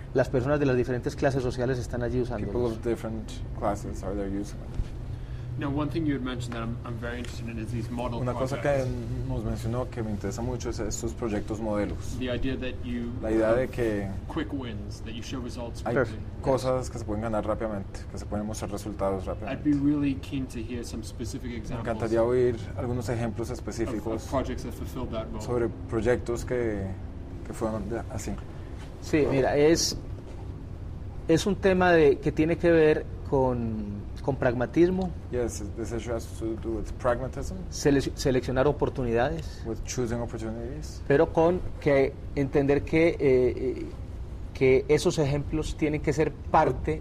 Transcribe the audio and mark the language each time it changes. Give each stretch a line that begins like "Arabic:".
Spanish: Las personas de las diferentes clases sociales están allí usando.
English: People of different classes are there using. Now, one thing you had mentioned that I'm very interested in is these model.
Spanish: Una cosa que nos mencionó que me interesa mucho es estos proyectos modelos.
English: The idea that you.
Spanish: La idea de que.
English: Quick wins that you show results.
Spanish: Hay cosas que se pueden ganar rápidamente, que se pueden mostrar resultados rápidamente.
English: I'd be really keen to hear some specific examples.
Spanish: Me encantaría oír algunos ejemplos específicos.
English: Of projects that fulfilled that role.
Spanish: Sobre proyectos que fueron así. Sí, mira, es un tema que tiene que ver con pragmatismo.
English: Yes, this issue has to do with pragmatism.
Spanish: Seleccionar oportunidades.
English: With choosing opportunities.
Spanish: Pero con que entender que esos ejemplos tienen que ser parte.